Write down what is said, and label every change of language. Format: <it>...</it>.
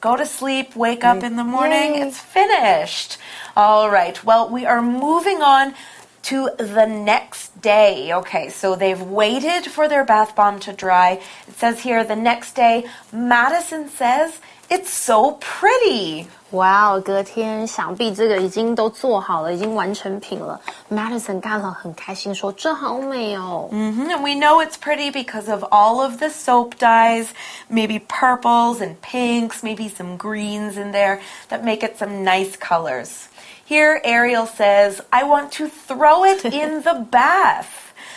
<en>Go to sleep, wake up in the morning. It's finished. All right, well, we are moving on to the next day. Okay, so they've waited for their bath bomb to dry. It says here, the next day, Madison says, it's so pretty.</en> <zh>Wow, 隔天想必这个已经都做好了已经完成品了。 Madison 干了很开心说这好美哦。</zh> <en>And we know it's pretty because of all of the soap dyes, maybe purples and pinks, maybe some greens in there that make it some nice colors. Here, Ariel says, I want to throw it in the bath.</en>